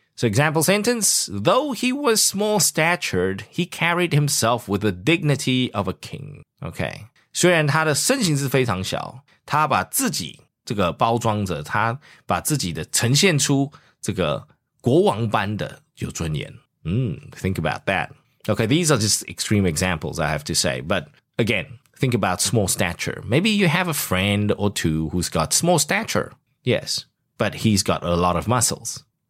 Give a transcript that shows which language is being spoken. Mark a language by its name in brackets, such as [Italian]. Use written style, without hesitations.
[English] So example sentence: Though he was small statured, he carried himself with the dignity of a king. [Chinese] Okay, 虽然他的身形是非常小，他把自己这个包装着，他把自己的呈现出这个国王般的有尊严。 [English] Think about that. Okay, these are just extreme examples, I have to say. But again, think about small stature. Maybe you have a friend or two who's got small stature. Yes, but he's got a lot of muscles.